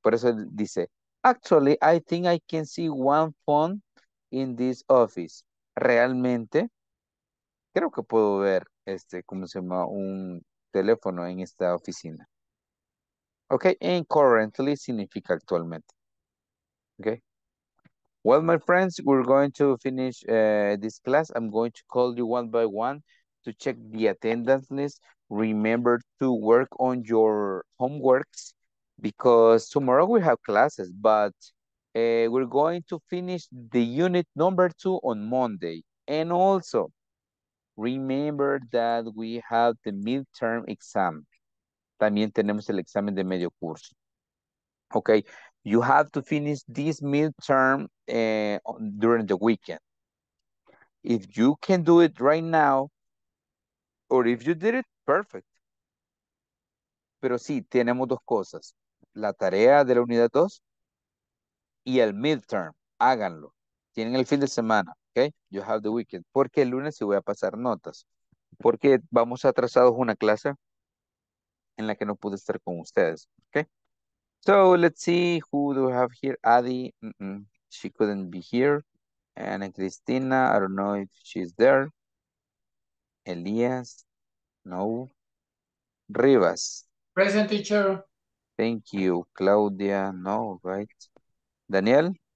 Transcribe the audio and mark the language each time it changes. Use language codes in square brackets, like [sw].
[es] Por eso dice, [en] actually, I think I can see one phone in this office. [es] Realmente, creo que puedo ver, ¿cómo se llama? Un teléfono en esta oficina. Ok, [en] and currently [es] significa actualmente. Ok. [en] Well, my friends, we're going to finish this class. I'm going to call you one by one to check the attendance list. Remember to work on your homeworks because tomorrow we have classes, but we're going to finish the unit number 2 on Monday. And also, remember that we have the midterm exam. [es] También tenemos el examen de medio curso. Okay. [en] You have to finish this midterm during the weekend. If you can do it right now, or if you did it, perfect. [es] Pero sí, tenemos dos cosas. La tarea de la unidad 2 y el midterm. Háganlo. Tienen el fin de semana, okay? [en] You have the weekend. [es] Porque el lunes sí voy a pasar notas. Porque vamos atrasados una clase en la que no pude estar con ustedes, okay? [en] So let's see who do we have here. Adi, she couldn't be here. And Cristina, I don't know if she's there. Elias, no. Rivas. Present, teacher. Thank you. Claudia, no, right. Daniel?